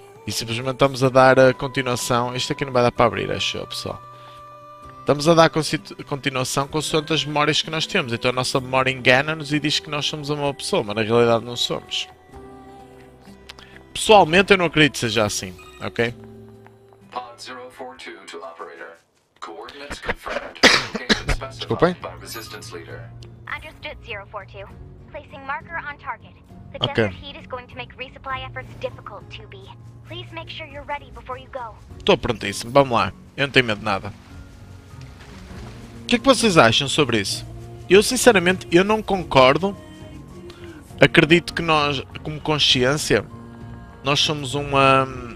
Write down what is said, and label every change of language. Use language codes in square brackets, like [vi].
[pt] E simplesmente estamos a dar a continuação... Isto aqui não vai dar para abrir, acho eu, pessoal. Estamos a dar continuação consoante as memórias que nós temos. Então a nossa memória engana-nos e diz que nós somos uma pessoa, mas na realidade não somos. Pessoalmente eu não acredito que seja assim, ok? [en] Pod 042 to operator. Coordinates confirmed. [pt] Desculpem. [en] Resistance leader. Understood, 042. Placing marker on target. The okay. Desert heat is going to make resupply efforts difficult, 2B. Please make sure you're ready before you go. [pt] Estou prontíssimo, vamos lá. Eu não tenho medo de nada. O que é que vocês acham sobre isso? Eu, sinceramente, eu não concordo. Acredito que nós, como consciência, nós somos uma...